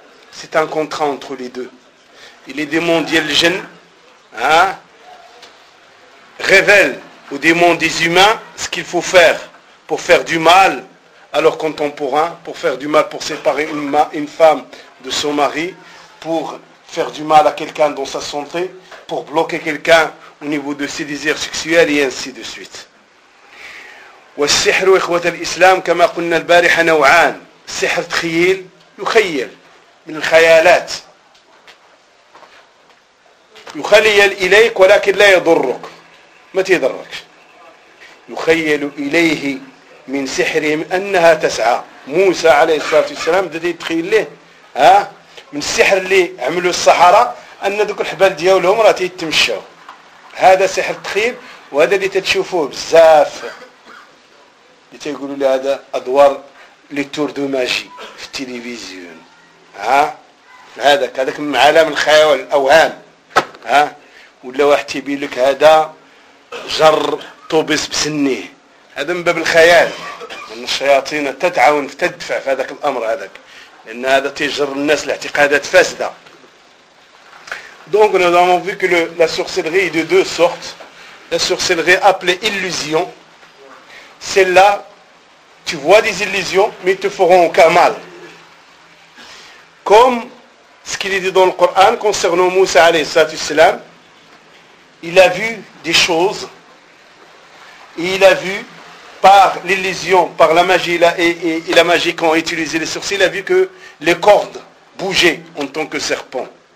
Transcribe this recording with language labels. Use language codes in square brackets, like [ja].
[fr] C'est un contrat entre les deux. Et les démons des djinns révèlent aux démons des humains ce qu'il faut faire pour faire du mal à leurs contemporains, pour faire du mal, pour séparer une femme de son mari, pour faire du mal à quelqu'un dans sa santé, pour bloquer quelqu'un au niveau de ses désirs sexuels, et ainsi de suite. [ar] والسحر إخوة الإسلام كما قلنا البارحة نوعان، سحر تخيل يخيل من الخيالات، يخيل إليك ولكن لا يضرك، ما تضرك، يخيل إليه من سحرهم أنها تسعى. موسى عليه الصلاة والسلام بدأ يتخيل له من السحر اللي عملوا الصحراء أن ذوك الحبال ديالهم راه تيتمشوا. هذا سحر تخيل، وهذا اللي تتشوفوه بزاف، اللي تيقولوا لي هذا أدوار لتور دو ماجي في التلفزيون، هذاك من عالم الخيال الأوهام، ولا واحد تيبين لك هذا جر طوبس بسنيه، هذا من باب الخيال، لأن الشياطين تتعاون تدفع في هذاك الأمر هذاك، لأن هذا تيجر الناس لاعتقادات فاسدة. [fr] Donc nous avons vu que la sorcellerie est de deux sortes. La sorcellerie appelée illusion, celle-là, tu vois des illusions, mais ils te feront aucun mal. Comme ce qu'il est dit dans le Coran concernant Moussa alayhi salam, il a vu des choses, et il a vu par l'illusion, par la magie, et la magie qu'ont utilisé les sorciers, il a vu que les cordes bougeaient en tant que serpent.